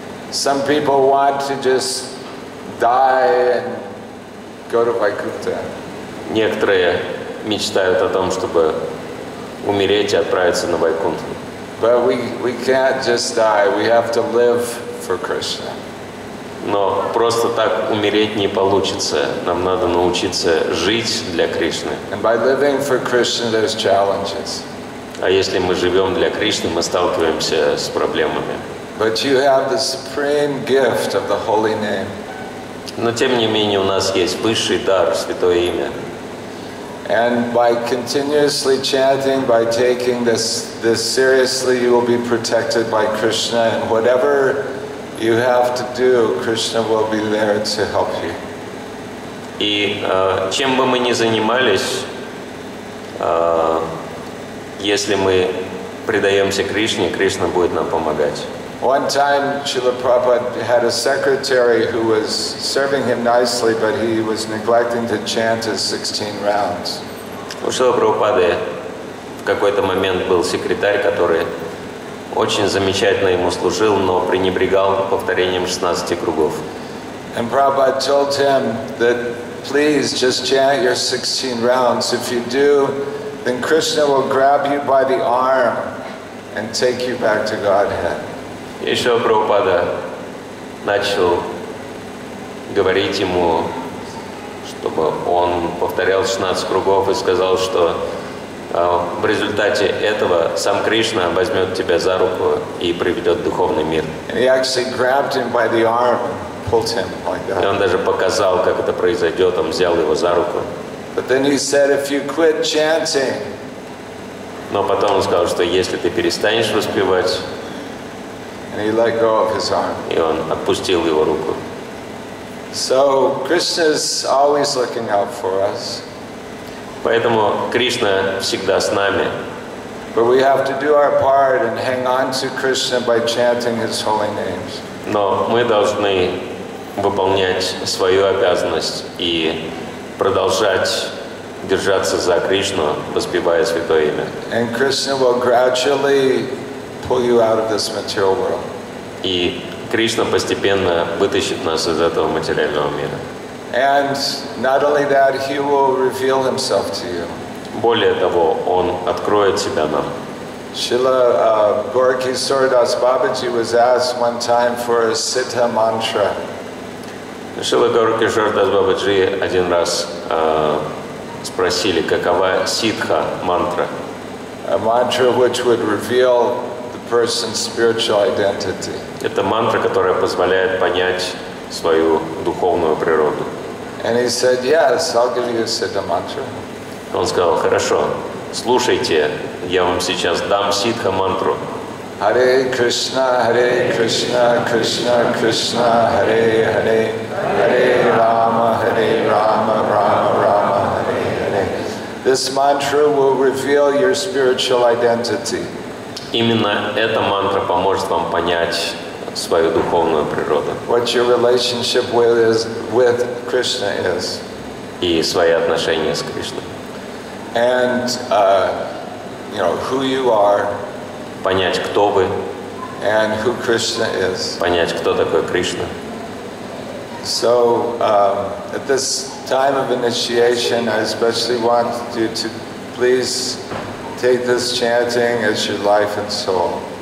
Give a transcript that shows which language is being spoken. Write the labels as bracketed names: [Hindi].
[English] Some people want to just die and go to Vaikuntha. [Russian] Некоторые мечтают о том, чтобы умереть и отправиться на Вайкунту. [English] But we can't just die. We have to live for Krishna. [Russian] Но просто так умереть не получится. Нам надо научиться жить для Кришны. [English] And by living for Krishna, there's challenges. [Russian] А если мы живем для Кришны, мы сталкиваемся с проблемами. [English] But you have the supreme gift of the holy name. [Russian] Но тем не менее у нас есть высший дар, святое имя. [English] And by continuously chanting, by taking this seriously, you will be protected by Krishna. And whatever you have to do, Krishna will be there to help you. [Russian] И чем бы мы ни занимались, если мы предаемся Кришне, Кришна будет нам помогать. [English] One time, Srila Prabhupada had a secretary who was serving him nicely, but he was neglecting to chant his 16 rounds. [Russian] У Шрилы Прабхупады в какой-то момент был секретарь, который очень замечательно ему служил, но пренебрегал повторением 16 кругов. [English] And Prabhupada told him that, please, just chant your 16 rounds. If you do, then Krishna will grab you by the arm and take you back to Godhead. [Russian] И Шрила Прабхупада начал говорить ему, чтобы он повторял 16 кругов, и сказал, что в результате этого сам Кришна возьмет тебя за руку и приведет в духовный мир. И он даже показал, как это произойдет, он взял его за руку. [English] But then he said, if you quit chanting, [Russian] но потом он сказал, что если ты перестанешь воспевать, [English] and he let go of his arm. [Russian] И он отпустил его руку. [English] So Krishna's always looking out for us. [Russian] Поэтому Кришна всегда с нами. [English] But we have to do our part and hang on to Krishna by chanting his holy names. [Russian] Но мы должны выполнять свою обязанность и продолжать держаться за Кришну, воспевая святое имя. [English] And Krishna will gradually pull you out of this material world. [Russian] И Кришна постепенно вытащит нас из этого материального мира. [English] And not only that, he will reveal himself to you. [Russian] Более того, он откроет себя нам. [English] Srila Gaurakishoradas Babaji was asked one time for a Siddha mantra. [Russian] Srila Gaurakishoradas Babaji один раз спросили, какова ситха мантра. [English] A mantra which would reveal the person's spiritual identity. [Russian] Это мантра, которая позволяет понять свою духовную природу. [English] And he said, yes, I'll give you a Siddha mantra. [Russian] Он сказал, хорошо, слушайте, я вам сейчас дам ситха мантру. [Sanskrit] Hare Krishna, Hare Krishna, Krishna Krishna, Hare Hare, Hare Rama, Hare Rama, Rama Rama, Hare Hare. [English] This mantra will reveal your spiritual identity. [Russian] Именно эта мантра поможет вам понять свою духовную природу. [English] What your relationship with Krishna is. [Russian] И свои отношения с Кришной. [English] And you know who you are. [Russian] Понять, кто вы. [English] And who Krishna is. [Russian] Понять, кто такой Кришна. [English] So at this time of initiation, I especially want you to please take this chanting as your life and soul.